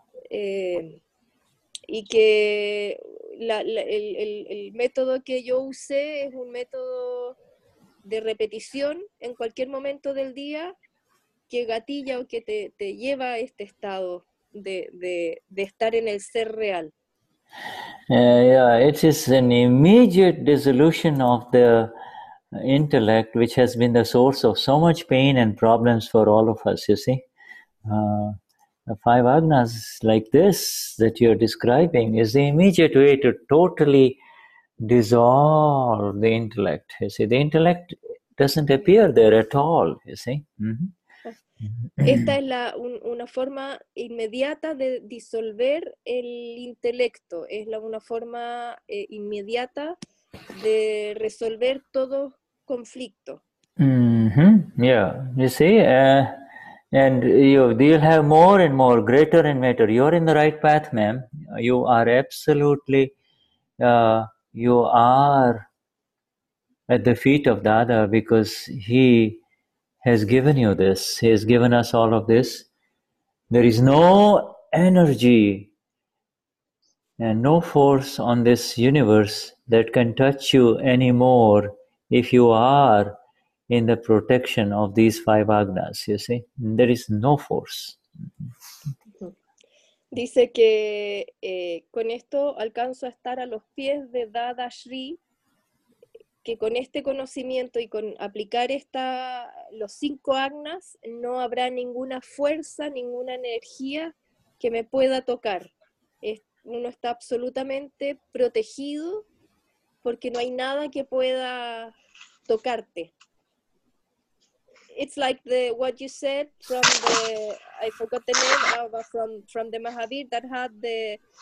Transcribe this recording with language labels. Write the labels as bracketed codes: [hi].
[es] y que el método que yo usé es un método de repetición en cualquier momento del día que gatilla o que te lleva a este estado de estar en el ser real. [en] It is an immediate dissolution of the intellect which has been the source of so much pain and problems for all of us, you see. The five agnas like this that you're describing is the immediate way to totally dissolve the intellect. You see, the intellect doesn't appear there at all, you see. [es] Esta es una forma inmediata de disolver el intelecto. Es una forma inmediata de resolver todo conflicto. [en] You see, and you'll have more and more, greater and greater. You're in the right path, ma'am. You are absolutely, you are at the feet of Dada because he has given you this. He has given us all of this. There is no energy no force on this universe that can touch you anymore if you are in the protection of these five agnas, you see? There is no force. [es] Dice que con esto alcanzo a estar a los pies de Dada Shri, que con este conocimiento y con aplicar esta, los cinco agnas, no habrá ninguna fuerza, ninguna energía que me pueda tocar. Uno está absolutamente protegido porque no hay nada que pueda tocarte. [en] It's like the what you said from the, I forgot the name, from the Mahavir that had the